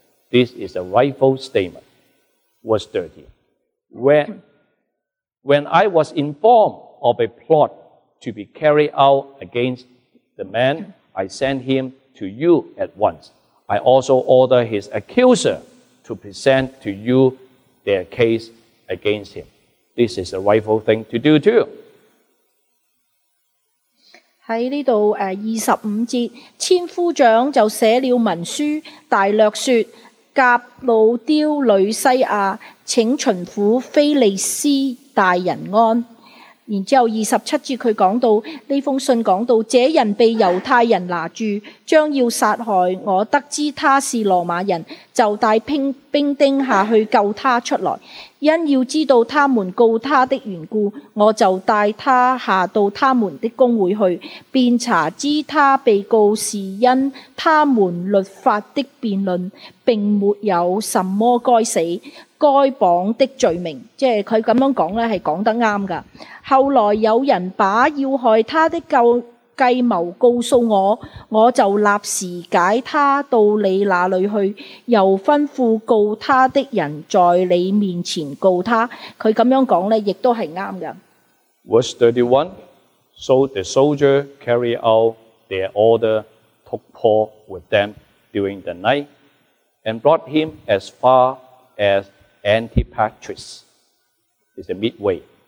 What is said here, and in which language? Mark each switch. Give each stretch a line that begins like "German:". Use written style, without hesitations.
English: This is a rightful statement. Verse 30. When I was informedof a plot to be carried out against the man, I send him to you at once. I also order his accuser to present to you their case against him. This is a rightful thing to do too.
Chinese: 在这里25节，千夫长就写了文书，大略说，甲鲁雕吕西亚请巡抚菲利斯大人安。然后27节他讲到，这封信讲到，这人被犹太人拿住，将要杀害，我得知他是罗马人，就带兵丁下去救他出来。因要知道他们告他的缘故，我就带他下到他们的公会去，便查知他被告是因他们律法的辩论，并没有什么该死。该绑的罪名，即是他这样讲是讲得啱的。后来有人把要害他的计谋告诉我，我就立时解他到你那里去，又吩咐告他的人在你面前告他。他这样讲也都是啱的。
English: Verse 31, so the soldier carried out their order, took Paul with them during the night, and brought him as far as Antipatris is the midway.